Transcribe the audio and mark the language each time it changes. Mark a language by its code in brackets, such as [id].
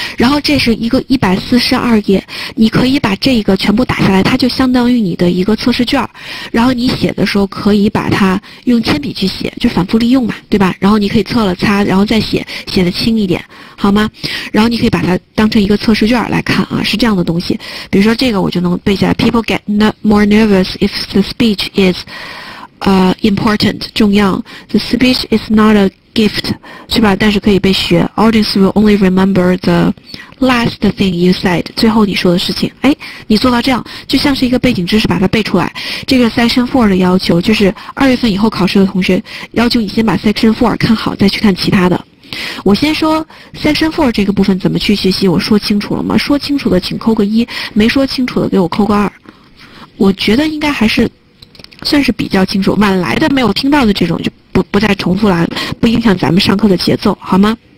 [zh] 然后这是一个142页，你可以把这个全部打下来，它就相当于你的一个测试卷。然后你写的时候可以把它用铅笔去写，就反复利用嘛，对吧？然后你可以测了擦，然后再写，写得轻一点，好吗？然后你可以把它当成一个测试卷来看啊，是这样的东西。比如说这个我就能背下来 [en] ，People get more nervous if the speech is important 重要 ，the speech is not a gift, [zh] 是吧？但是可以被学。 [en] Audience will only remember the last thing you said, [zh] 最后你说的事情。哎，你做到这样，就像是一个背景知识把它背出来。这个 Section 4的要求，就是2月份以后考试的同学，要求你先把 Section 4看好，再去看其他的。我先说 Section 4这个部分怎么去学习，我说清楚了吗？说清楚的请扣个一，没说清楚的给我扣个二。我觉得应该还是算是比较清楚，晚来的没有听到的这种就不再重复了，不影响咱们上课的节奏，好吗？